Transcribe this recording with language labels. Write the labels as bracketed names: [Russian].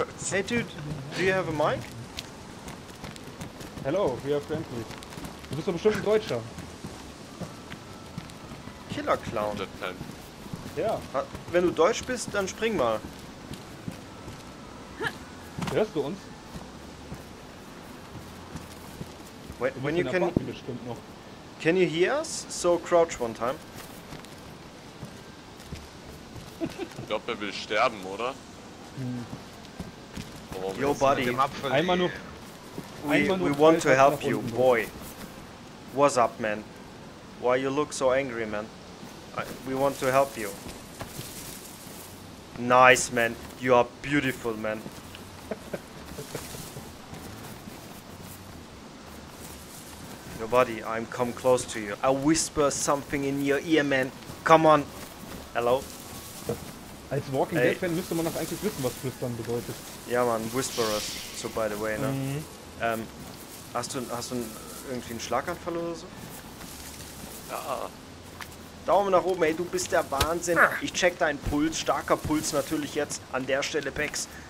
[English] Hey dude, do you have a mic? Hello, we are friendly. [German] Du bist doch bestimmt ein Deutscher. [English] Killer Clown. [German] Ja. Wenn du Deutsch bist, dann spring mal. Hörst du uns? [English] When you can. [German] Bestimmt noch. [English] Can you hear us? So crouch one time. [German] Ich glaube, er will sterben, oder? [English] Hm. Oh, yo, buddy. [German] Einmal nur. [English] We want to help you, boy. What's up, man? Why you look so angry, man? We want to help you. Nice, man. You are beautiful, man. Buddy, I'm come close to you. I whisper something in your ear, man. Come on. Hello? [German] Als Walking Dead Fan müsste man doch eigentlich wissen, was flüstern bedeutet. [English] Ja, man, Whisperers. So, by the way, ne? Mm. [German] Hast du irgendwie einen Schlaganfall oder so? Ja. Daumen nach oben, ey, du bist der Wahnsinn. Ich check deinen Puls. Starker Puls natürlich jetzt an der Stelle, Bex.